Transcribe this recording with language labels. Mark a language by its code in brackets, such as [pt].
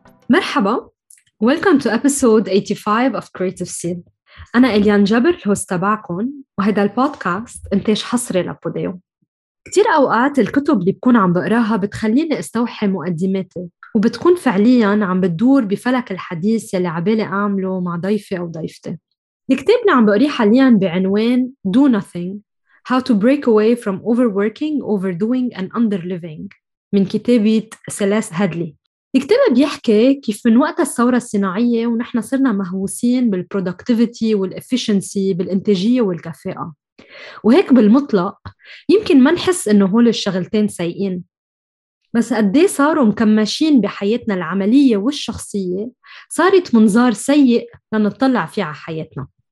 [en] مرحبا، Welcome to episode 85 of Creative Seed. [ar] أنا إليان جبر، الهوست تبعكم، وهذا البودكاست إنتاج حصري لبوديو. كتير أوقات الكتب اللي بكون عم بقراها بتخليني استوحي مقدماتي وبتكون فعلياً عم بتدور بفلك الحديث يلي عبالي أعمله مع ضيفي أو ضيفتي. الكتاب اللي عم بقريه حالياً بعنوان Do Nothing How to Break Away from Overworking, Overdoing and Underliving من كتابة سيليس هادلي. الكتاب بيحكي كيف من وقت الثورة الصناعية ونحن صرنا مهووسين بالبرودكتيفيتي والإفيشنسي بالإنتاجية والكفاءة، وهيك بالمطلق يمكن ما نحس إنه هول الشغلتين سيئين، بس قدي صاروا مكمشين بحياتنا العملية والشخصية صارت منظار سيء لنطلع فيه على حياتنا.